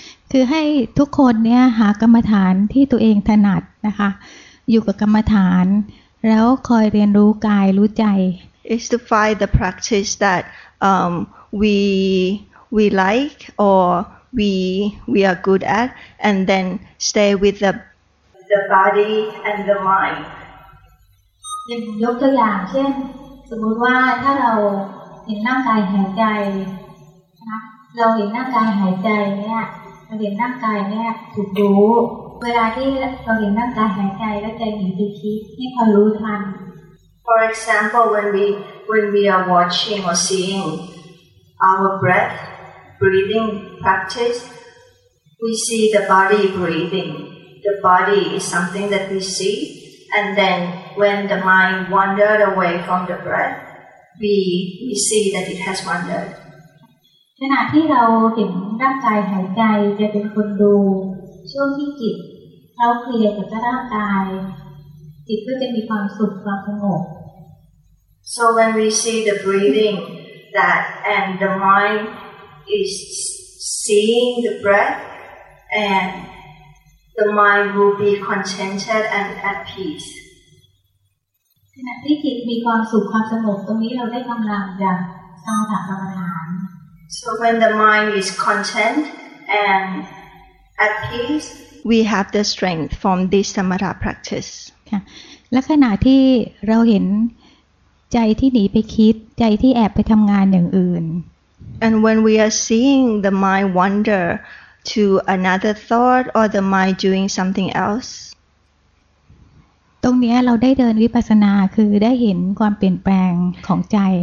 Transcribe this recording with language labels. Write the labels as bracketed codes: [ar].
[th] คือให้ทุกคนเนี่ยหากรรมฐานที่ตัวเองถนัดนะคะอยู่กับกรรมฐานแล้วคอยเรียนรู้กายรู้ใจ [en] is to find the practice that we like or we are good at and then stay with the body and the mind [th] ยกตัวอย่างเช่นสมมติว่าถ้าเราเห็นร่างกายหายใจนะเราเห็นร่างกายหายใจเนี่ยเราเห็นร่างกายเนี่ยถูกรู้เวลาที่เราเห็นร่างกายหายใจแล้วใจหนีไปคิดให้คอยรู้ทัน [en] For example when we are watching or seeing our breathing practice we see the body breathing the body is something that we see and then when the mind wandered away from the breath we see that it has wandered [th] ขณะที่เราเห็นร่างกายหายใจจะเป็นคนดูช่วงที่จิตเราเคลียร์กับร่างกายจิตก็จะมีความสุขความสงบ [en] So when we see the breathing that and the mind is seeing the breath and the mind will be contented and at peace [th] ขณะที่จิตมีความสุขความสงบตรงนี้เราได้กำลังจากสมถะกรรมฐาน [en] So when the mind is content and at peace, we have the strength from this samatha practice. [th] ค่ะ และขณะที่เราเห็นใจที่หนีไปคิดใจที่แอบไปทำงานอย่างอื่น [en] And when we are seeing the mind wander to another thought or the mind doing something else, [th] ตรงนี้เราได้เดินวิปัสสนาคือได้เห็นความเปลี่ยนแปลงของใจ